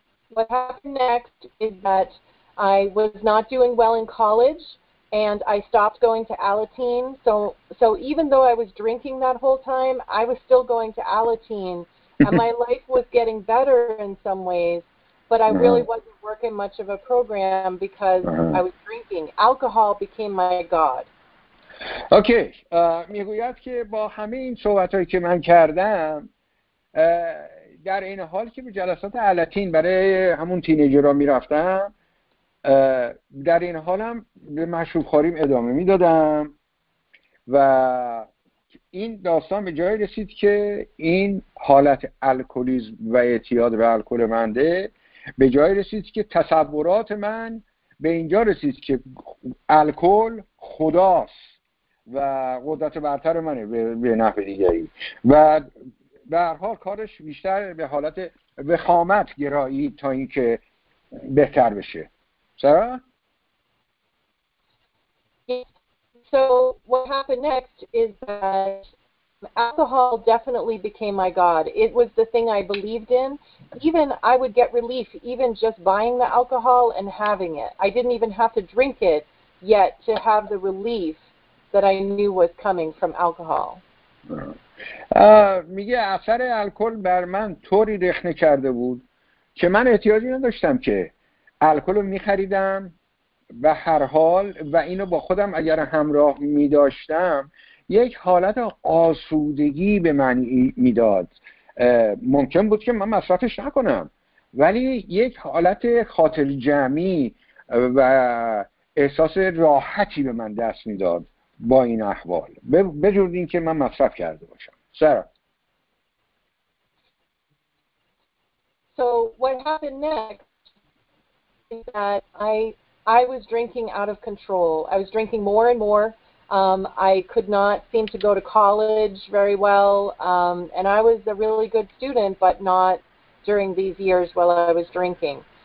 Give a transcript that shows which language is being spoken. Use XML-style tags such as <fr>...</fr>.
<en>What happened next is that I was not doing well in college and I stopped going to Alateen. So even though I was drinking that whole time, I was still going to Alateen and my life was getting better in some ways, but I really wasn't working much of a program because I was drinking. Alcohol became my god. Okay.</en> <fa>میگوید که با همه این صحبتایی که من کردم در این حال که به جلسات علتین برای همون تینیجرها می رفتم، در این حالم به مشروب خوریم ادامه می دادم و این داستان به جایی رسید که این حالت الکلیزم و اعتیاد به الکل منده به جایی رسید که تصورات من به اینجا رسید که الکل خداست و قدرت برتر منه به نحو دیگری، و به هر حال کارش بیشتر به حالت وخامت گرایی تا اینکه بهتر بشه. سارا؟</fa> <en>So what happened next is that alcohol definitely became my god. It was the thing I believed in. Even I would get relief even just buying the alcohol and having it. I didn't even have to drink it yet to have the relief that I knew was coming from alcohol.</en> <fa>میگه اثر الکل بر من طوری رخنه کرده بود که من احتیاجی نداشتم که الکل رو می‌خریدم. و هر حال و اینو با خودم اگر همراه می داشتم یک حالت آسودگی به من می داد. ممکن بود که من مصرفش نکنم، ولی یک حالت خاطر جمعی و احساس راحتی به من دست می داد با این احوال، به جور این که من مصرف کرده باشم. سارا؟</fa> <en>So what happened next is that I was drinking out of control. I was drinking more and more. I could not seem to go to college very well. And I was a really good student, but not during these years while I was drinking.</en>